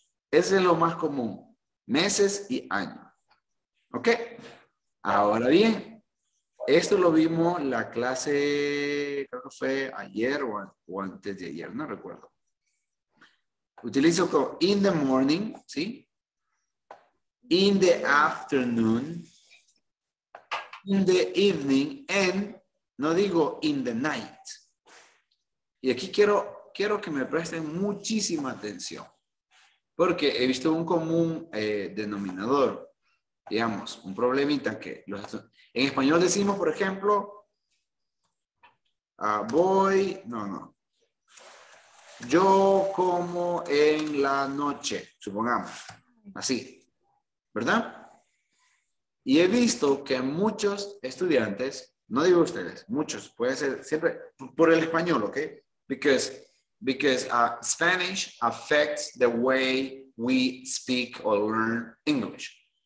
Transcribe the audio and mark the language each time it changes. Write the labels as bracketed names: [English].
[Spanish] Ese es lo más común, meses y años, ok. Ahora bien, esto lo vimos la clase, creo que fue ayer o antes de ayer, no recuerdo. Utilizo como [English] in the morning, [Spanish] ¿sí? [English] In the afternoon, in the evening, and [Spanish] no digo [English] in the night. [Spanish] Y aquí quiero que me presten muchísima atención, porque he visto un común denominador, digamos, un problemita que los, en español decimos, por ejemplo, voy, yo como en la noche, supongamos, así, ¿verdad? Y he visto que muchos estudiantes, no digo ustedes, muchos, puede ser siempre por el español, ¿ok? [English] Because Spanish affects the way we speak or learn English.